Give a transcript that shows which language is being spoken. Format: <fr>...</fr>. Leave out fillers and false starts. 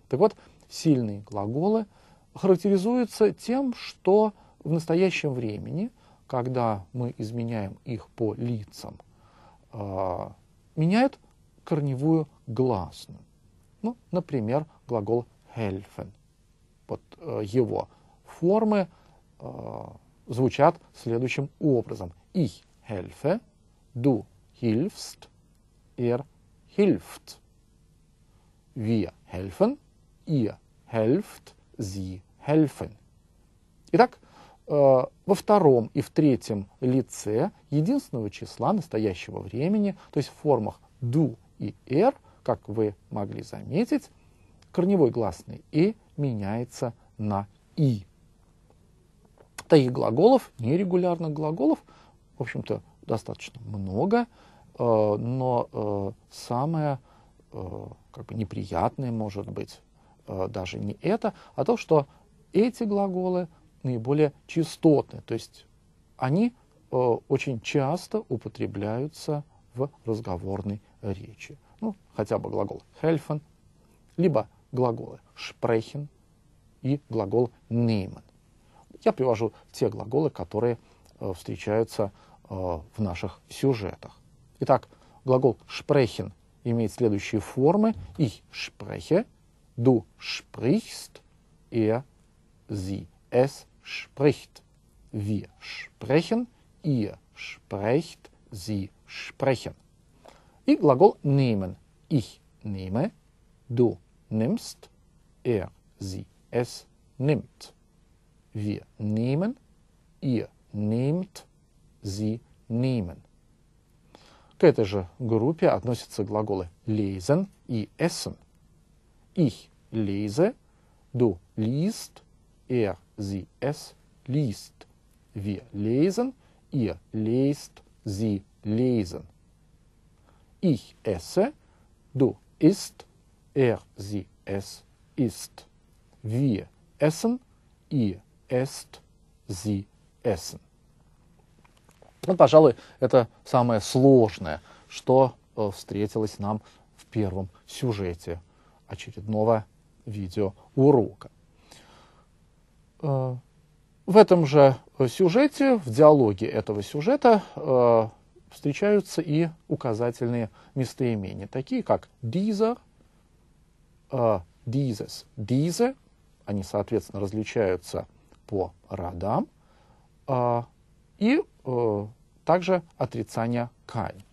<ru>Так вот, сильные глаголы характеризуются тем, что в настоящем времени, когда мы изменяем их по лицам, меняют корневую гласную. Ну, например, глагол helfen. Вот его формы звучат следующим образом.</ru> <de>Ich helfe, du hilfst, hilft. Wir helfen, ihr helft, sie helfen.</de> <ru>Итак, во втором и в третьем лице единственного числа настоящего времени, то есть в формах do и er, как вы могли заметить, корневой гласный и меняется на i. Таких глаголов, нерегулярных глаголов, в общем-то, достаточно много, но самое как бы неприятное может быть даже не это, а то, что эти глаголы наиболее частотные, то есть они очень часто употребляются в разговорной речи. Ну, хотя бы глагол helfen, либо глаголы sprechen и глагол nehmen. Я привожу те глаголы, которые встречаются в наших сюжетах. Итак, глагол sprechen имеет следующие формы.</ru> <de>Ich spreche, du sprichst, sie, es spricht. Wir sprechen, ihr sprecht, sie sprechen.</de> <ru>И глагол nehmen.</ru> <de>Ich nehme, du nimmst, sie, es nimmt. Wir nehmen, ihr nehmt, sie nehmen.</de> <ru>К этой же группе относятся глаголы lesen и essen.</ru> <de>Ich lese, du liest, sie, es liest. Wir lesen, ihr lest, sie lesen. Ich esse, du isst, sie, es isst. Wir essen, ihr esst, sie essen.</de> <ru>Ну, пожалуй, это самое сложное, что встретилось нам в первом сюжете очередного видеоурока. В этом же сюжете, в диалоге этого сюжета, встречаются и указательные местоимения, такие как dieser, dieses, diese, они, соответственно, различаются по родам, и также отрицание kein.</ru>